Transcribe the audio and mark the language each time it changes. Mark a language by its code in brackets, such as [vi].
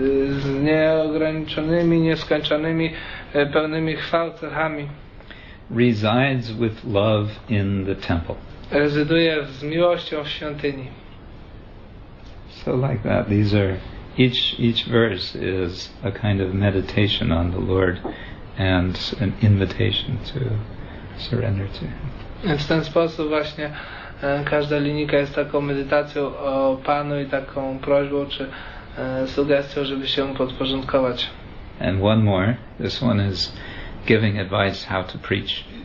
[pl] z nieograniczonymi, nieskończonymi, pełnymi chwał cechami, [en] resides with love in the temple. [pl] Rezyduje z miłością w świątyni. [en] So like that, these are Each verse is a kind of meditation on the Lord and an invitation to surrender to Him. [pl] W ten sposób właśnie każda linijka jest taką medytacją o Panu i taką prośbą czy sugestią, żeby się mu podporządkować. [en] And one more. This one is giving advice how to preach.